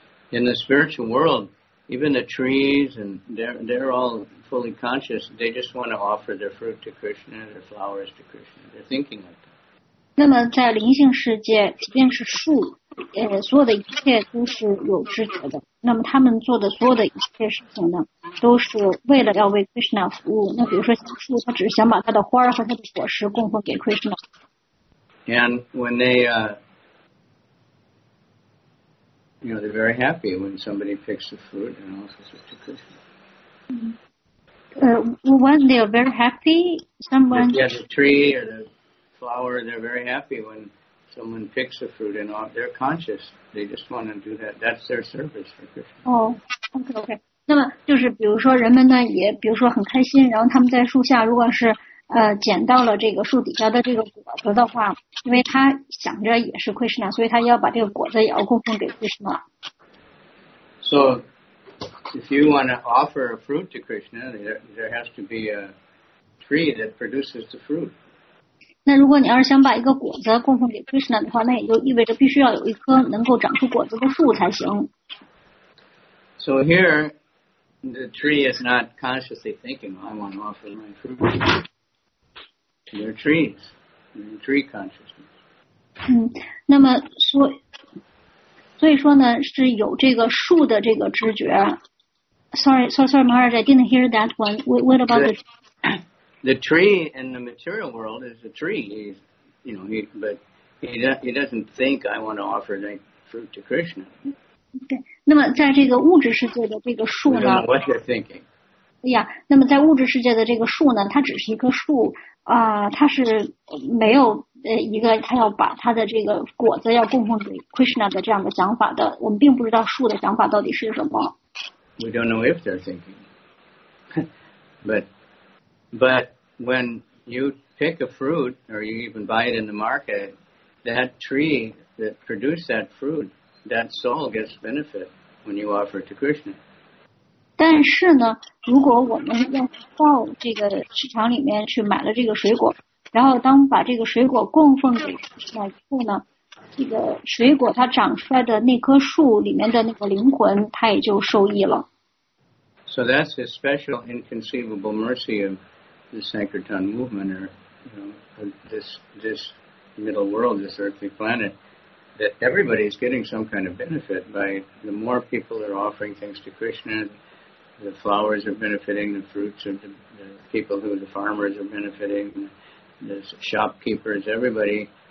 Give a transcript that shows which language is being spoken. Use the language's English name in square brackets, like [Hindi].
[English] In the spiritual world, even the trees and they're all fully conscious. They just want to offer their fruit to Krishna, their flowers to Krishna. They're thinking of that. [Chinese] 那么在灵性世界，即便是树。所有的一切都是有知觉的。那么他们做的所有的一切事情呢，都是为了要为 Krishna 服务。那比如说小树，他只是想把他的花和他的果实供奉给 Krishna。 [English] And when they, you know, they're very happy when somebody picks the fruit and offers it to Krishna. When they are very happy, someone. Yeah, the tree or the flower, they're very happy when. Someone picks the fruit and they're conscious. They just want to do that. That's their service for Krishna. Oh, okay. [Chinese] 那么就是比如说人们呢也比如说很开心，然后他们在树下如果是捡到了这个树底下的这个果子的话，因为他想着也是 Krishna， 所以他要把这个果子也要供奉给 Krishna。 [English] So, if you want to offer a fruit to Krishna, there has to be a tree that produces the fruit. [Chinese] 那如果你要是想把一个果子供奉给 Krishna 的话，那也就意味着必须要有一棵能够长出果子的树才行。 [English] So here, The tree is not consciously thinking, I want to offer my fruit. They're trees. They're in tree consciousness. [Chinese] 那么所以说呢，是有这个树的这个知觉。 [English] Sorry, Maharaj, I didn't hear that one. What about the tree in the material world is a tree. He doesn't think I want to offer my fruit to Krishna. Okay. [Chinese] 那么在这个物质世界的这个树呢 [English] ？What you're thinking? Yeah. [Chinese] 那么在物质世界的这个树呢？它只是一棵树啊、它是没有一个它要把它的这个果子要供奉给 Krishna 的这样的想法的。我们并不知道树的想法到底是什么。 [English] We don't know if they're thinking, but when you pick a fruit or you even buy it in the market, that tree that produced that fruit, that soul gets benefit when you offer it to Krishna. [Chinese] 但是呢，如果我们要到这个市场里面去买了这个水果，然后当把这个水果供奉给那以后呢？这个水果它长出来的那棵树里面的那个灵魂，它也就受益了。 [English] So that's a special inconceivable mercy of the Sankirtan movement, or you know, this middle world, this earthly planet, that everybody is getting some kind of benefit by the more people are offering things to Krishna, the flowers are benefiting, the fruits of the people who are the farmers are benefiting, the shopkeepers, everybody.